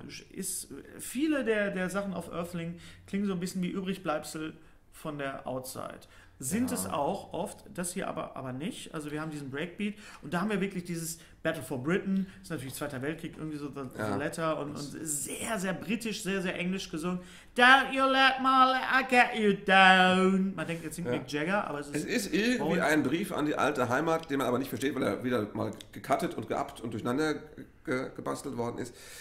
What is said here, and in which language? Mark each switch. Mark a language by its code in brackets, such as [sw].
[de] Ist viele der Sachen auf Earthling klingen so ein bisschen wie Übrigbleibsel von der Outside. Sind ja. es auch oft, das hier aber nicht. Also wir haben diesen Breakbeat und da haben wir wirklich dieses Battle for Britain, ist natürlich Zweiter Weltkrieg, irgendwie so the, ja. the letter und sehr, sehr britisch, sehr, sehr englisch gesungen. [en] Don't you let my letter get you down. [de] Man denkt, jetzt singt ja. Mick Jagger, aber es ist irgendwie Bowie. Ein Brief an die alte Heimat, den man aber nicht versteht, weil er wieder mal gecuttet und geappt und durcheinander gebastelt worden ist.